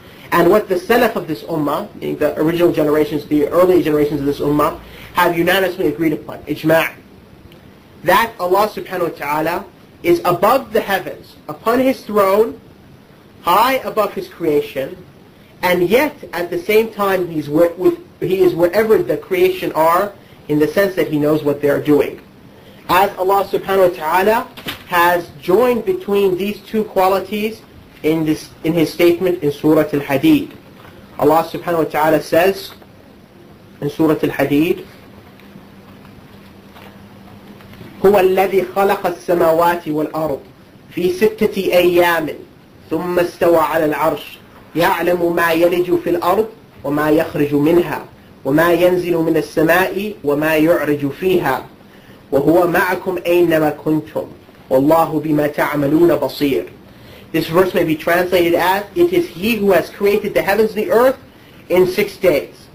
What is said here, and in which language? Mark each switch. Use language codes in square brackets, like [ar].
[en] And what the salaf of this ummah, meaning the original generations, the early generations of this ummah, have unanimously agreed upon, ijma', that Allah subhanahu wa ta'ala is above the heavens, upon his throne, high above his creation, and yet at the same time he is wherever the creation are, in the sense that he knows what they are doing. As Allah subhanahu wa ta'ala has joined between these two qualities in his statement in Surah Al-Hadid. Allah subhanahu wa ta'ala says in Surah Al-Hadid, [ar] هُوَ الَّذِي خَلَقَ السَّمَاوَاتِ وَالْأَرْضِ فِي سِتَّةِ أَيَّامٍ ثُمَّ اسْتَوَى عَلَى الْعَرْشِ يَعْلَمُ مَا يَلِجُ فِي الْأَرْضِ وَمَا يَخْرِجُ مِنْهَا وَمَا يَنْزِلُ مِنَ السَّمَاءِ وَمَا يُعْرِجُ فِيهَا وَهُوَ مَعَكُمْ أَيْنَمَا كُنْتُمْ وَاللَّهُ بِمَا تَعْمَلُونَ بَصِيرٌ. [en] This verse may be translated as, it is he who has created the heavens and the earth in 6 days.